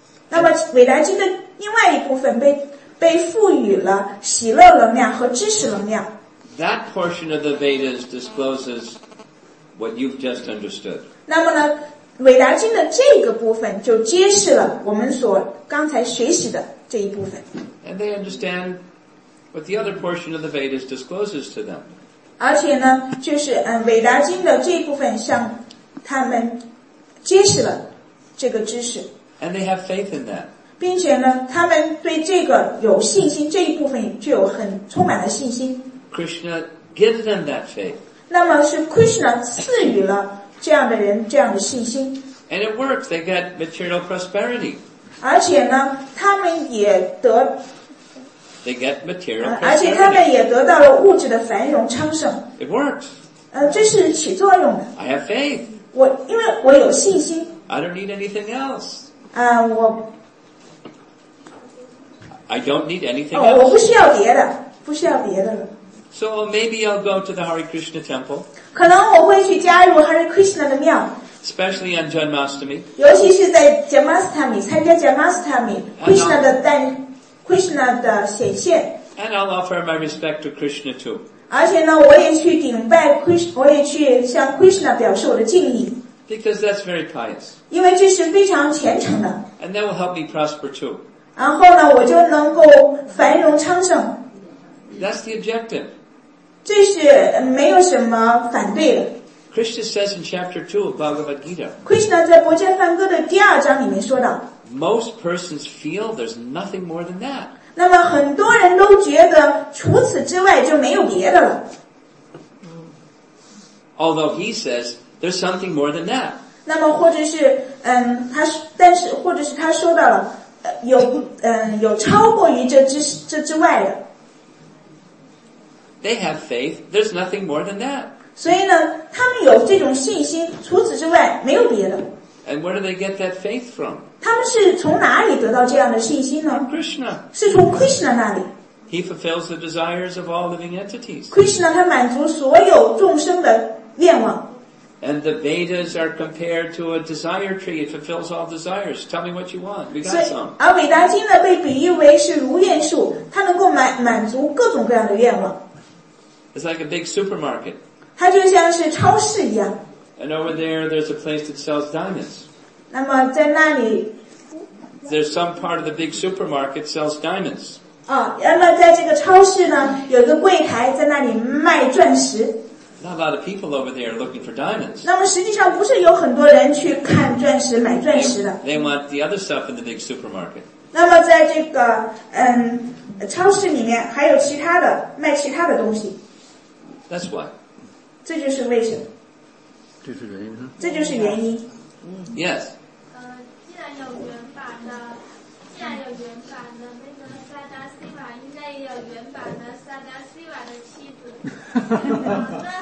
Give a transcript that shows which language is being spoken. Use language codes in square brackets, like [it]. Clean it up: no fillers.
[zh] 那么伟达经的另外一部分被赋予了喜乐能量和知识能量。 [en] That portion of the Vedas discloses what you've just understood. [zh] 那么呢，伟达经的这个部分就揭示了我们所刚才学习的。 [en] And they understand what the other portion of the Vedas discloses to them. [zh] 而且呢，就是伟达经的这一部分向他们揭示了这个知识。 [en] And they have faith in that. [zh] 并且呢，他们对这个有信心，这一部分具有很充满了信心。 [en] Krishna gives them that faith. [zh] 那么是 Krishna 赐予了这样的人这样的信心。 [en] And it works. They get material prosperity. [zh] 而且呢，他们也得 [en] They get material [zh] 而且他们也得到了物质的繁荣昌盛。 [en] It works. [zh] 这是起作用的。 [en] I have faith. [zh] 因为我有信心。 [en] I don't need anything else. [zh] 我 [en] I don't need anything else. [zh] 我不需要别的，不需要别的了。 [en] So maybe I'll go to the Hare Krishna temple. [zh] 可能我会去加入 Hare Krishna 的庙。 [en] Especially on Janmashtami. [zh] 尤其是在 Janmashtami, 参加 Janmashtami, Krishna 的诞 Krishna 的显现。 [en] And I'll offer my respect to Krishna too. [zh] 而且呢，我也去顶拜 Krishna, 我也去向 Krishna 表示我的敬意。 [en] Because that's very pious. [zh] 因为这是非常虔诚的。 [en] And that will help me prosper too. [zh] 然后呢，我就能够繁荣昌盛。 [en] That's the objective. [zh] 这是没有什么反对的。 [en] Krishna says in chapter 2 of Bhagavad Gita, [zh] Krishna 在《伯伽梵歌》的第二章里面说到 [en] Most persons feel there's nothing more than that. [zh] 那么很多人都觉得除此之外就没有别的了。 [en] Although he says there's something more than that. [zh] 那么或者是他但是或者是他说到了有超过于这之外的。 [en] They have faith, there's nothing more than that. [zh] 所以呢，他们有这种信心，除此之外没有别的。 [en] And where do they get that faith from? [zh] 他们是从哪里得到这样的信心呢？ [en] Krishna. [zh] 是从 Krishna 那里。 [en] He fulfills the desires of all living entities. [zh] Krishna 他满足所有众生的愿望。 [en] And the Vedas are compared to a desire tree. It fulfills all desires. Tell me what you want. We got some. [zh] 而伟达经呢，被比喻为是如愿树，它能够满足各种各样的愿望。 [en] It's like a big supermarket. [zh] 它就像是超市一样。 [en] And over there, there's a place that sells diamonds. [zh] 那么在那里 [en] ，There's some part of the big supermarket sells diamonds. [zh] 啊，那么在这个超市呢，有一个柜台在那里卖钻石。 [en] Not a lot of people over there looking for diamonds. [zh] 那么实际上不是有很多人去看钻石、买钻石的。 [en] They want the other stuff in the big supermarket. [zh] 那么在这个超市里面还有其他的卖其他的东西。 That's why. 这就是为什么？这是原因呢？这就是原因。嗯、 [en] yes。 [zh] 既然有原版的，既然有原版的那个萨达西瓦，应该也有原版的萨达西瓦的妻子。